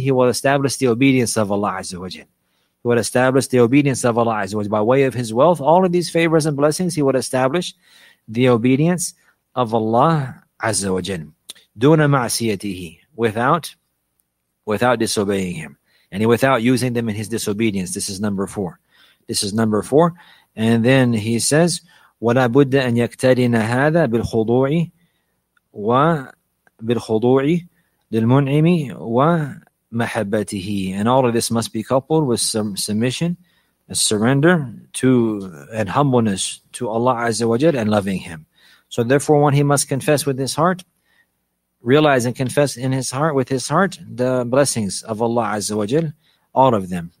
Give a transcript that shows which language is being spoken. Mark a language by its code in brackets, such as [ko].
[en] He will establish the obedience of Allah Azza wa Jal. He would establish the obedience of Allah Azza wa Jal. By way of his wealth, all of these favors and blessings, he would establish the obedience of Allah Azza wa Jal. [ar] Duna ma'asiyatihi, [en] without disobeying him. And without using them in his disobedience. This is number four. This is number four. And then he says, [ar] وَلَا بُدَّ أَنْ يَكْتَرِنَ هَذَا بِالْخُضُوعِ وَبِالْخُضُوعِ لِلْمُنْعِمِ wa mahabbatihi. [en] And all of this must be coupled with some submission, a surrender to and humbleness to Allah Azza wa Jal and loving Him. So therefore, one, he must confess with his heart, realize and confess in his heart, with his heart, the blessings of Allah Azza wa Jal, all of them.